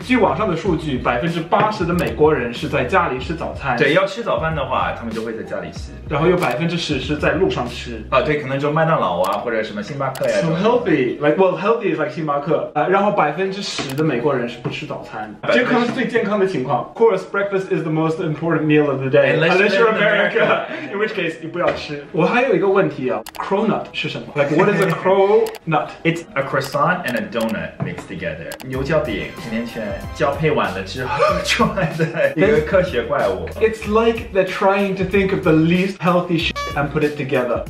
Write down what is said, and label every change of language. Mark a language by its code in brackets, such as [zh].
[zh] 据网上的数据，80%的美国人是在家里吃早餐。对，要吃早。饭的话，他们就会在家里吃，然后有10%是在路上吃啊，对，可能就麦当劳啊，或者什么星巴克呀。 [en] So healthy, like well, healthy is like 星巴克啊。 [zh] 然后10%的美国人是不吃早餐，这可能是最健康的情况。 [en] Of course, breakfast is the most important meal of the day, unless you're America, in which case [zh] 你不要吃。我还有一个问题啊 ，cronut 是什么 ？ [en] Like what is a cronut? It's a croissant and a donut mixed together. [zh] 牛角饼、甜甜圈交配完了之后出来的一个科学怪物。 [en] It's like they're trying to think of the least healthy shit and put it together.